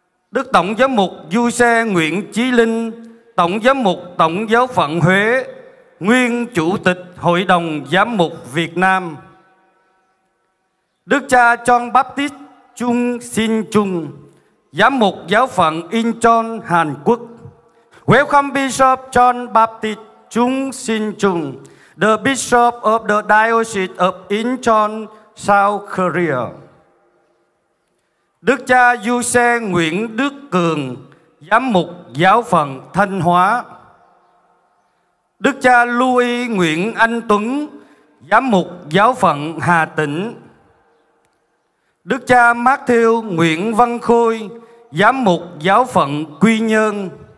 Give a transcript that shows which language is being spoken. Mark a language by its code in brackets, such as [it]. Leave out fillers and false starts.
[vi] Đức Tổng Giám mục Giuse Nguyễn Chí Linh, Tổng Giám mục Tổng Giáo phận Huế, nguyên Chủ tịch Hội đồng Giám mục Việt Nam. Đức cha John Baptist Chung Sin Chung, Giám mục Giáo phận Incheon, Hàn Quốc. [en] Welcome Bishop John Baptist Chung Sin Chung, the Bishop of the Diocese of Incheon, South Korea. [vi] Đức cha Giuse Nguyễn Đức Cường, Giám mục Giáo phận Thanh Hóa. Đức cha Louis Nguyễn Anh Tuấn, Giám mục Giáo phận Hà Tĩnh. Đức cha Matthew Nguyễn Văn Khôi, Giám mục Giáo phận Quy Nhơn.